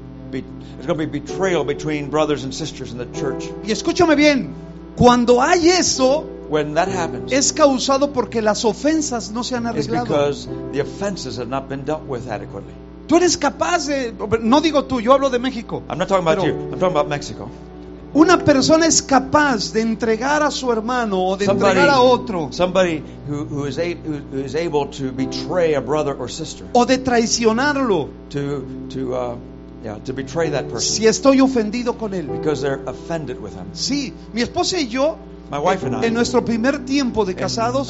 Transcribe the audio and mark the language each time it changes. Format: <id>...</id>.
<en>There's going to be betrayal between brothers and sisters in the church.</en> <es>Y escúchame bien. Cuando hay eso,</es> <en>when that happens,</en> <es>es causado porque las ofensas no se han arreglado.</es> <en>It's because the offenses have not been dealt with adequately.</en> <es>Tú eres capaz de, no digo tú, yo hablo de México.</es> <en>I'm not talking about you. I'm talking about Mexico.</en> <es>Una persona es capaz de entregar a su hermano o de entregar a otro.</es> <en>Somebody who is able to betray a brother or sister.</en> <es>O de traicionarlo.</es> <en>To betray that person.</en> <es>Si estoy ofendido con él.</es> <en>Because they're offended with him.</en> <es>Sí, mi esposa y yo.</es> <en>My wife and I.</en> <es>En nuestro primer tiempo de casados.</es>